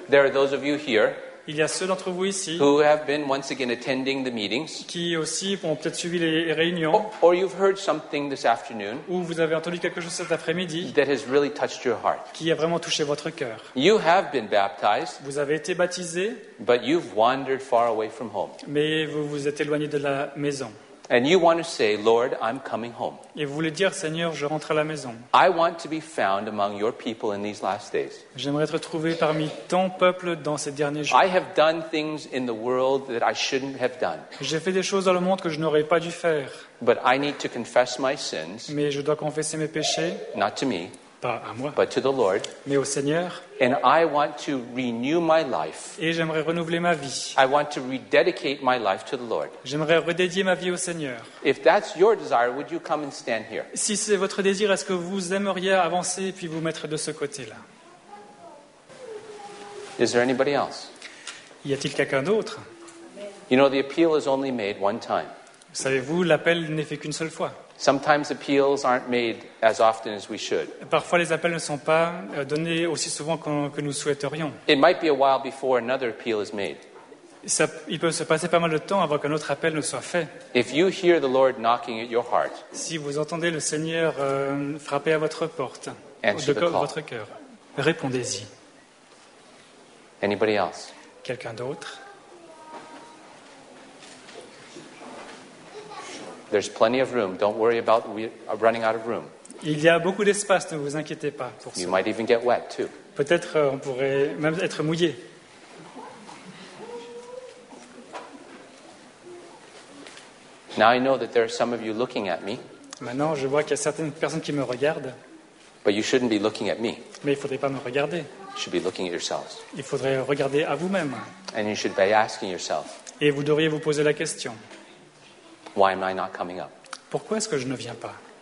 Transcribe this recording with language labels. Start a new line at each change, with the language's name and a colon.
English: There are those of you here.
French: Il y a ceux d'entre vous ici
English: who have been once again attending the meetings,
French: qui aussi ont peut-être suivi les réunions
English: or you've heard something this afternoon,
French: ou vous avez entendu quelque chose cet après-midi
English: that has really touched your heart.
French: Qui a vraiment touché votre cœur.
English: You have been baptized,
French: vous avez été baptisé
English: but you've wandered far away from home.
French: Mais vous vous êtes éloigné de la maison.
English: And you want to say, Lord, I'm coming home.
French: Et vous voulez dire, Seigneur, je rentre à la maison.
English: I want to be found among your people in these last days.
French: J'aimerais être trouvé parmi ton peuple dans ces derniers jours.
English: I have done things in the world that I shouldn't have done.
French: J'ai fait des choses dans le monde que je n'aurais pas dû faire.
English: But I need to confess my sins.
French: Mais je dois confesser mes péchés.
English: Not to me.
French: Pas à moi.
English: But to the Lord.
French: Mais au Seigneur.
English: And I want to renew my life.
French: Et j'aimerais renouveler ma vie.
English: I want to rededicate my life to the Lord.
French: J'aimerais redédier ma vie au Seigneur.
English: If that's your desire, would you come and stand here?
French: Si c'est votre désir, est-ce que vous aimeriez avancer puis vous mettre de ce côté-là?
English: Is there anybody else?
French: Y a-t-il quelqu'un d'autre?
English: You know, the appeal is only made one time.
French: Savez-vous, l'appel n'est fait qu'une seule fois.
English: Sometimes appeals aren't made as often as we should.
French: Parfois, les appels ne sont pas donnés aussi souvent que nous souhaiterions.
English: It might be a while before another appeal is made.
French: Il peut se passer pas mal de temps avant qu'un autre appel ne soit fait.
English: If you hear the Lord knocking at your heart,
French: si vous entendez le Seigneur frapper à votre porte, votre cœur, répondez-y.
English: Anybody else?
French: Quelqu'un d'autre?
English: There's plenty of room. Don't worry about running out of room.
French: Il y a beaucoup d'espace, ne vous inquiétez pas pour ça.
English: You might even get wet too.
French: Peut-être on pourrait même être mouillé.
English: Now I know that there are some of you looking at me.
French: Maintenant, je vois qu'il y a certaines personnes qui me regardent.
English: But you shouldn't be looking at me.
French: Mais il ne faudrait pas me regarder.
English: You should be looking at yourselves.
French: Il faudrait regarder à vous-même.
English: And you should be asking yourself.
French: Et vous devriez vous poser la question.
English: Why am I not coming up?
French: Pourquoi est-ce que je ne viens pas?